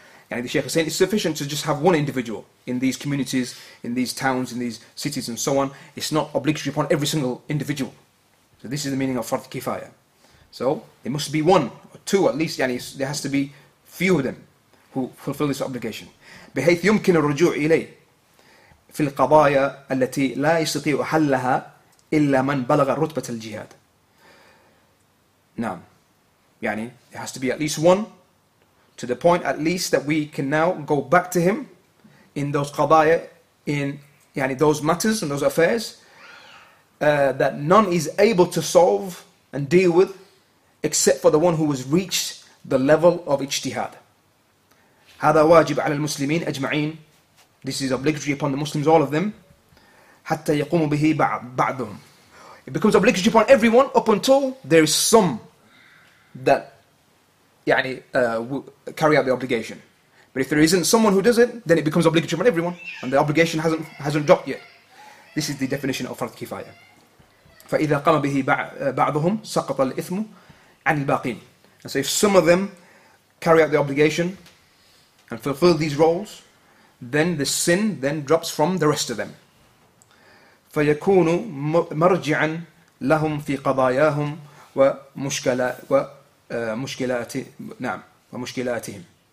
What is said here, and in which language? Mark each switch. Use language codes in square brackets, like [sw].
[en] And the Shaykh is saying it's sufficient to just have one individual in these communities, in these towns, in these cities and so on. It's not obligatory upon every single individual. So this is the meaning of fard kifaya. So it must be one or two at least, yani there has to be few of them who fulfill this obligation. [ar] بحيث يمكن الرجوع إليه في القضايا التي لا يستطيع حلها إلا من بلغ رتبة الجهاد. نعم. [en] يعني there has to be at least one, to the point at least that we can now go back to him in those قضايا, in يعني those matters and those affairs that none is able to solve and deal with except for the one who has reached the level of ijtihad. [ar] هذا واجب على المسلمين أجمعين. [en] This is obligatory upon the Muslims, all of them. [ar] حتى يقوم به بعضهم. [en] It becomes obligatory upon everyone up until there is some that يعني, carry out the obligation. But if there isn't someone who does it, then it becomes obligatory upon everyone. And the obligation hasn't dropped yet. This is the definition of فرض كفاية. [ar] فإذا قام به بعضهم سقط الإثم عن الباقين. [en] And so if some of them carry out the obligation and fulfill these roles, then the sin then drops from the rest of them. [ar] فَيَكُونُ مَرْجِعًا لَهُمْ فِي قَضَايَاهُمْ وَمُشْكِلَاتِهِمْ.